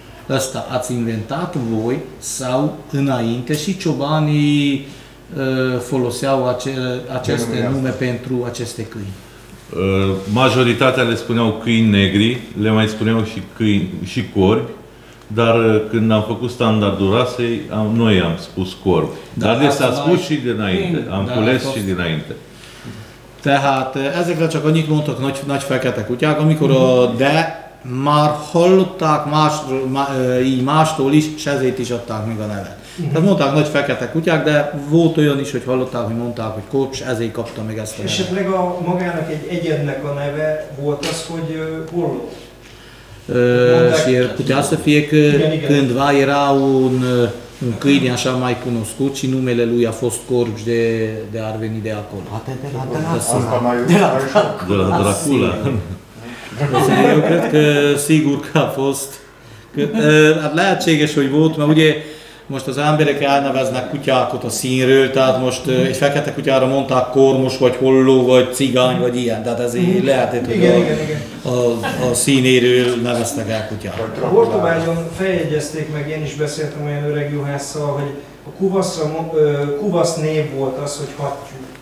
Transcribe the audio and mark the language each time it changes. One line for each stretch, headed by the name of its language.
Romanian: Ăsta ați inventat voi sau înainte și ciobanii foloseau aceste nume pentru aceste câini? Majoritatea le spuneau câini negri, le mai spuneau și câini și corbi, dar când am făcut standardul rasei, noi am spus corb. Dar le s-a spus și dinainte, am cules și dinainte.
Hungarian: Tehát ezekre csak annyit mondtak nagy fekete kutyák, amikor a de már hallották mástól is, és ezért is adták meg a nevet. Tehát mondták nagy fekete kutyák, de volt olyan is, hogy hallották, hogy mondták, hogy korb, ezért kapta meg ezt a nevet. Esetleg a magának egy egyednek a neve volt az, hogy holló? Mondták,
Romanian: putea să fie că cândva era un câine așa mai cunoscut și numele lui a fost corb și de ar veni de acolo. De la Dracula. Eu cred că sigur că a fost.
Hungarian: Lehetséges, hogy volt, mert ugye most az emberek elneveznek kutyákat a színről, tehát most egy fekete kutyára mondták kormos, vagy holló, vagy cigány, vagy ilyen, tehát ezért lehetett, hogy a színéről neveztek el kutyát. A Hortobágyon feljegyezték meg, én is beszéltem olyan öreg juhásszal, hogy a kuvasz név volt az, hogy hattyú.